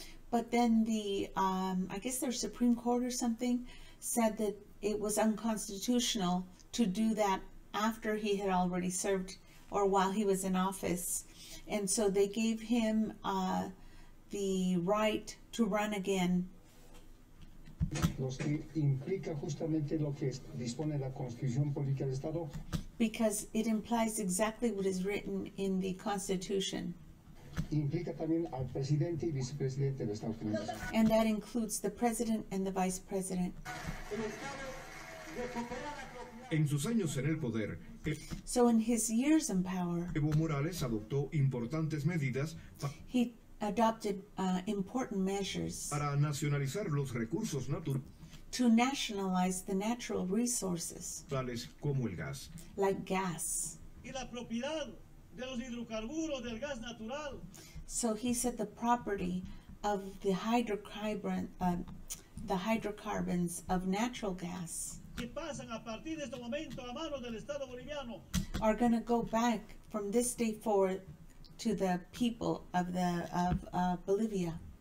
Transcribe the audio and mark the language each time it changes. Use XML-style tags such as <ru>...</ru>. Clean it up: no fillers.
<en>But then the, I guess their Supreme Court or something, said that it was unconstitutional to do that after he had already served or while he was in office. And so they gave him the right to run again.</en> <es>Lo que implica justamente lo que dispone la Constitución Política del Estado.</es> <en>Because it implies exactly what is written in the Constitution.</en> <es>Implica también al presidente y vicepresidente del Estado.</es> <en>And that includes the president and the vice president.</en> <es>En sus años en el poder.</es> <en>So in his years in power.</en> <es>Evo Morales adoptó importantes medidas.</es> <en>He adopted important measures.</en> <es>Para nacionalizar los recursos naturales.</es> <en>To nationalize the natural resources,</en> <es>tales como el gas,</es> <en>like gas.</en> <es>Y la propiedad de los hidrocarburos del gas natural.</es> <en>So he said the property of the hydrocarbons of natural gas</en> <es>que pasan a partir de este momento a manos del Estado boliviano.</es> <en>Are going to go back from this day forward to the people of the Bolivia.</en>